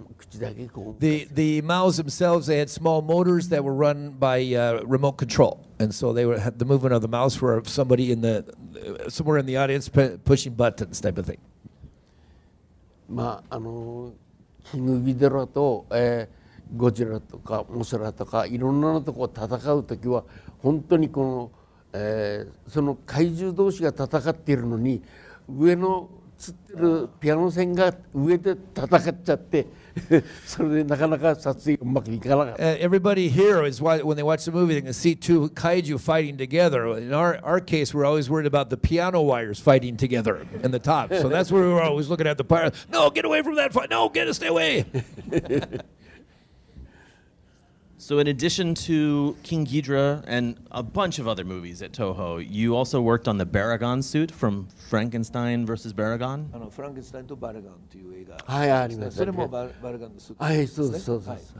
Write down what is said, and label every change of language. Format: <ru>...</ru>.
<en>The mouths themselves, they had small motors that were run by remote control. And so they were the movement of the mouths were somebody in the somewhere in the audience pushing buttons type of thing.</en> <ja>まあ、キングギドラとゴジラとかモスラとかいろんなのとこう戦うときは本当にこの怪獣同士が戦っているのに上のってるピアノ線が上で戦っちゃって、それでなかなか撮影うまくいかなかった。</ja> <en>Everybody here is why when they watch the movie they can see two kaiju fighting together. In our case, we're always worried about the piano wires fighting together in the top. So that's where we're always looking at the pirate. No, get away from that fight! No, get us, stay away! So in addition to King Ghidorah and a bunch of other movies at Toho, you also worked on the Baragon suit from Frankenstein versus Baragon?</en> <ja>Frankenstein to Baragon という映画。はい、ありがとう。それもバラガンのスーツですね。はい、そうです、そうです。</ja>